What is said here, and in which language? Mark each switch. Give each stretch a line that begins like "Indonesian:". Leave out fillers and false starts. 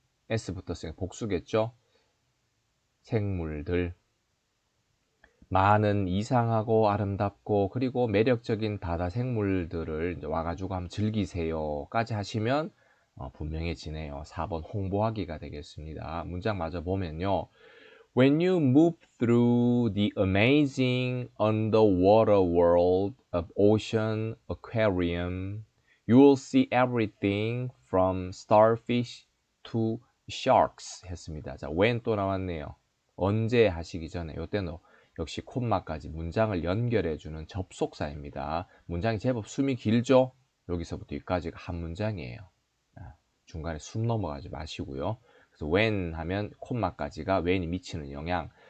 Korean: S부터 쓰면 복수겠죠? 생물들. 많은 이상하고 아름답고 그리고 매력적인 바다 생물들을 이제 와가지고 한번 즐기세요까지 하시면 분명해지네요. 4번 홍보하기가 되겠습니다. 문장 마저 보면요.
English: When you move through the amazing underwater world of Ocean Aquarium, you will see everything from starfish to sharks
Korean: 했습니다. 자, when 또 나왔네요. 언제 하시기 전에 요때는 역시 콤마까지 문장을 연결해 주는 접속사입니다. 문장이 제법 숨이 길죠? 여기서부터 여기까지가 한 문장이에요. 중간에 숨 넘어가지 마시고요. 그래서 when 하면 콤마까지가 when이 미치는 영향.